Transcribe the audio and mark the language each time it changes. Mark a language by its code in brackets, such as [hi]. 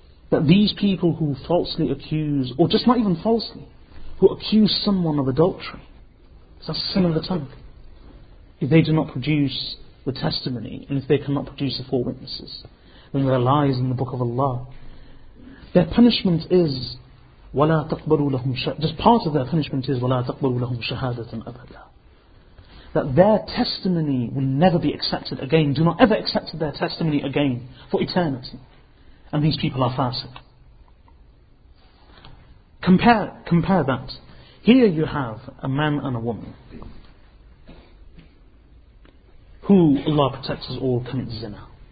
[en] That these people who falsely accuse, or just not even falsely, who accuse someone of adultery, that's a sin of the tongue. If they do not produce the testimony, and if they cannot produce the four witnesses, then they're lies in the book of Allah. Their punishment is, [ar] وَلَا تَقْبَرُوا لَهُمْ شَهَادَةً. [en] Just part of their punishment is, [ar] وَلَا تَقْبَرُوا لَهُمْ شَهَادَةً أَبَدًا. [en] That their testimony will never be accepted again. Do not ever accept their testimony again for eternity. And these people are fasiq. Compare that. Here you have a man and a woman who Allah protects us all commit zina.